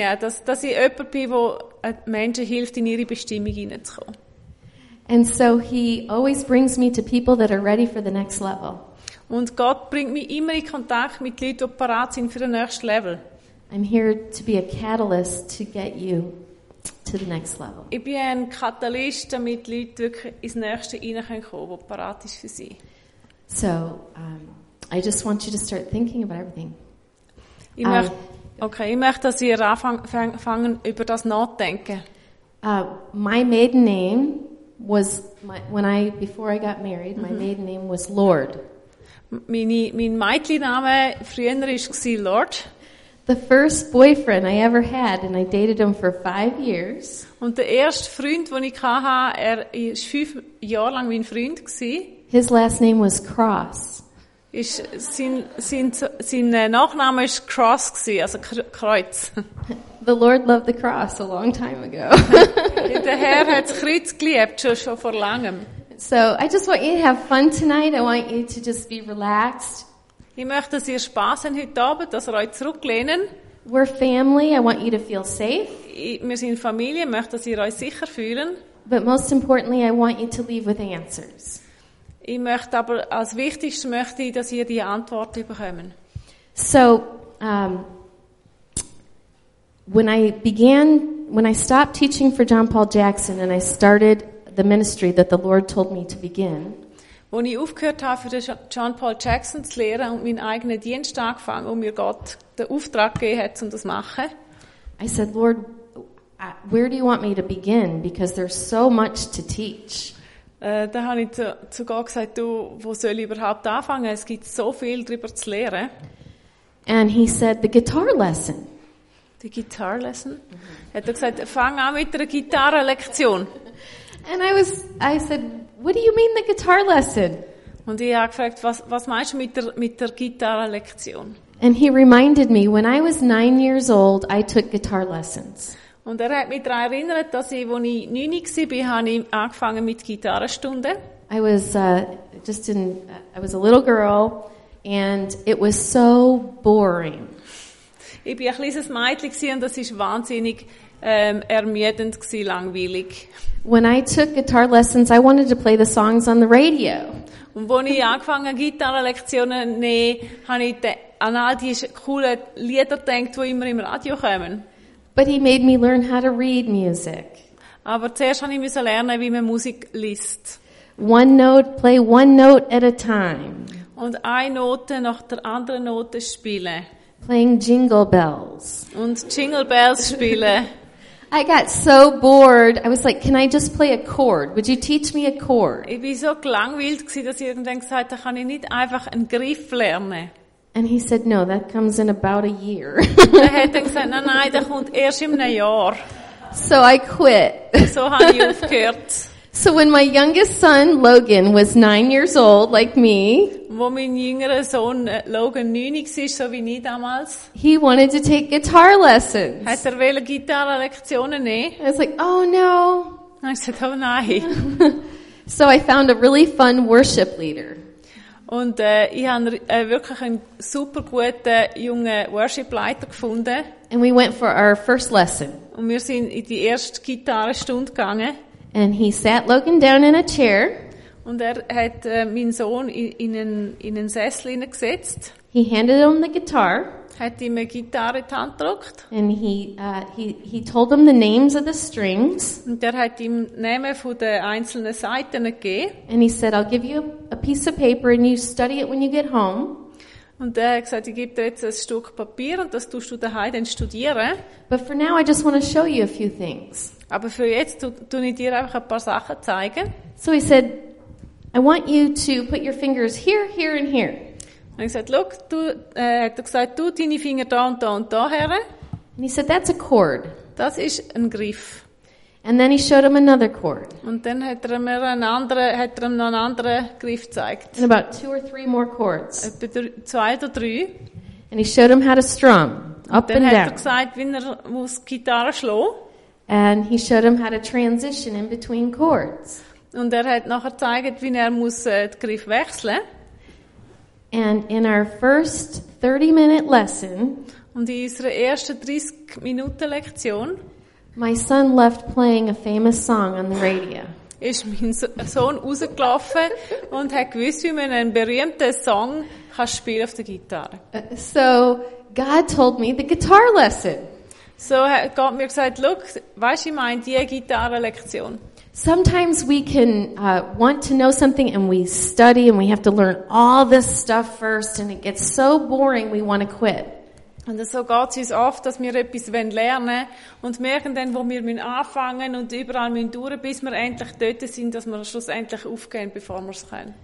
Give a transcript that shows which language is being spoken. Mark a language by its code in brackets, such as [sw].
[de] Ja, dass ich jemand bin, wo Menschen hilft, in ihre Bestimmung hineinzukommen. [en] And so he always brings me to people that are ready for the next level. [de] Und Gott bringt mich immer in Kontakt mit Leuten, die bereit sind für den nächsten Level. [en] I'm here to be a catalyst to get you to the next level. [de] Ich bin ein Katalyst, damit Leute wirklich ins Nächste hineinkommen können, wo bereit ist für sie. [en] So, I just want you to start thinking about everything. [de] Ich möchte, dass ihr anfangen, über das nachdenken. [en] My maiden name was before I got married, my maiden name was Lord. [de] Mein Meitli-Name früher ist gsi Lord. [en] The first boyfriend I ever had, and I dated him for 5 years. [de] Und der erste Freund, den ich hatte, er ist 5 Jahre lang mein Freund gsi. [en] His last name was Cross. [de] Sein Nachname ist Cross gsi, also Kreuz. [en] The Lord loved the cross a long time ago. [de] Der Herr hat das Kreuz geliebt, schon vor langem. [en] So, I just want you to have fun tonight. I want you to just be relaxed. [de] Ich möchte, dass ihr Spaß habt heute Abend, dass ihr euch zurücklehnen. [en] We're family. I want you to feel safe. [de] Wir sind Familie. Ich möchte, dass ihr euch sicher fühlen. [en] But most importantly, I want you to leave with answers. [de] Ich möchte aber als Wichtigstes möchte ich, dass ihr die Antworten bekommen. [en] So, when I stopped teaching for John Paul Jackson and I started the ministry that the Lord told me to begin. [de] Als ich aufgehört habe, für John Paul Jackson zu lehren und meinen eigenen Dienst angefangen, und mir Gott den Auftrag gegeben hat, um das zu machen. [en] I said, Lord, where do you want me to begin? Because there's so much to teach. [de] Da habe ich zu Gott gesagt, du, wo soll ich überhaupt anfangen? Es gibt so viel darüber zu lehren. [en] And he said, the guitar lesson. The guitar lesson? Mm-hmm. [de] Hat er gesagt, fang an mit einer Gitarrenlektion. [en] And I said, what do you mean the guitar lesson? [de] Und ich habe gefragt, was meinst du mit der Gitarrenlektion? [en] And he reminded me, when I was 9 years old, I took guitar lessons. [de] Und er hat mich daran erinnert, dass ich, als ich 9 gsi bin, habe ich angefangen mit Gitarrenstunden. [en] I was I was a little girl, and it was so boring. [de] Ich bin ein kleines Mädchen gsi und das ist wahnsinnig ermüdend gsi, langweilig. [en] When I took guitar lessons, I wanted to play the songs on the radio. [de] Und als ich angefangen Gitarrenlektionen zu nehmen, habe ich an all die coolen Lieder gedacht, die immer im Radio kommen. [en] But he made me learn how to read music. [de] Aber zuerst habe ich müssen lernen, wie man Musik liest. [en] One note, play one note at a time. [de] Und eine Note nach der anderen Note spielen. [en] Playing jingle bells. [de] Und jingle bells spielen. [en] I got so bored. I was like, can I just play a chord? Would you teach me a chord? [de] Ich war so gelangweilt gewesen, dass ich irgendwann gesagt habe, kann ich nicht einfach einen Griff lernen? [en] And he said, no, that comes in about a year. [de] Er hat dann gesagt, nein, das kommt erst in einem Jahr. [en] So I quit. [de] So habe ich aufgehört. [en] So when my youngest son, Logan, was 9 years old, like me. [de] Wo mein jüngerer Sohn, Logan, 9 war, so wie ich damals. [en] He wanted to take guitar lessons. [de] Hat er wollte Gitarrenlektionen nehmen. [en] I was like, oh no. I said, oh [de] nein. [en] So I found a really fun worship leader. [de] Und ich habe wirklich einen super guten jungen Worship-Leiter gefunden. [en] And we went for our first lesson. [de] Und wir sind in die erste Gitarrenstunde gegangen. [en] And he sat Logan down in a chair. [de] Und er hat meinen Sohn in einen Sessel hineingesetzt. [en] He handed him the guitar. [de] Hat ihm eine Gitarre die Hand gedrückt. [en] And he told him the names of the strings. [de] Und er hat ihm Namen von den einzelnen Saiten gegeben. [en] And he said, I'll give you a piece of paper and you study it when you get home. [de] Und er hat gesagt, ich gebe dir jetzt ein Stück Papier und das tust du daheim dann studieren. [en] But for now I just want to show you a few things. [de] Aber für jetzt tue ich dir einfach ein paar Sachen zeigen. [en] So he said, I want you to put your fingers here, here and here. [de] Und er gesagt, look, du, hat er gesagt, tu deine Finger da und da und da her. [en] And he said, that's a chord. [de] Das ist ein Griff. [en] And then he showed him another chord. [de] Und dann hat er mir noch einen anderen Griff gezeigt. [en] And about two or three more chords. [de] Zwei oder drei. [en] And he showed him how to strum up and down. [de] Hat er gesagt, wie er muss Gitarre schlagen. [en] And he showed him how to transition in between chords. [de] Und er hat nachher gezeigt, wie er muss den Griff wechseln. [en] And in our first 30-minute lesson, [de] und in unserer ersten 30-Minuten-Lektion, [en] my son left playing a famous song on the radio. [de] Ist mein Sohn rausgelaufen und hat gewusst, wie man einen berühmten Song kann spielen auf der Gitarre. [en] So God told me the guitar lesson. [de] So hat Gott mir gesagt, look, weißt du, ich meine die Gitarre-Lektion. [en] Sometimes we can want to know something and we study and we have to learn all this stuff first and it gets so boring we want to quit. [de] Und so geht es uns oft, dass wir etwas lernen wollen und merken dann, wo wir anfangen und überall durch müssen, bis wir endlich dort sind, dass wir schlussendlich aufgehen, bevor wir es können.